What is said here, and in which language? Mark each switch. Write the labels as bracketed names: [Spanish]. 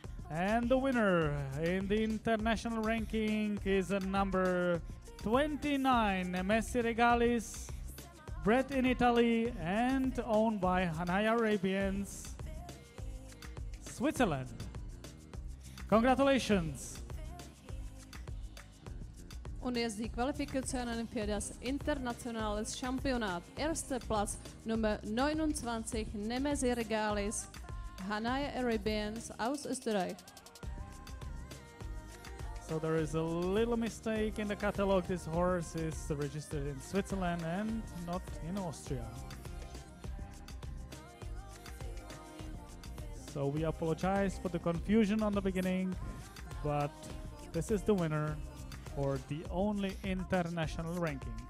[English] And the winner in the international ranking is number 29, Messi Regalis, bred in Italy and owned by Hanaya Arabians, Switzerland. Congratulations! [German] Und jetzt die Qualifikationen für das internationale Championat. Erster Platz, Nummer 29, Nemesi Regalis, Hanaya Arabians aus Österreich. [English] So there is a little mistake in the catalog. This horse is registered in Switzerland and not in Austria. So we apologize for the confusion on the beginning, but this is the winner for the only international ranking.